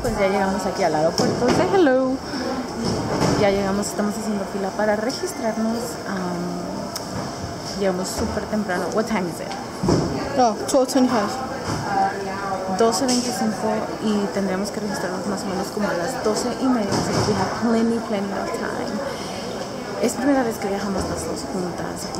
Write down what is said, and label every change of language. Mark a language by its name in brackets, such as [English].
[Spanish] Pues ya llegamos aquí al aeropuerto. [English] Say hello. [Spanish] Ya llegamos, estamos haciendo fila para registrarnos. Llegamos súper temprano. [English] What time is it? Oh, 12:25. [Spanish] 12:25 y tendríamos que registrarnos más o menos como a las 12:30. [English] So we have plenty of time. [Spanish] Es primera vez que viajamos las dos juntas.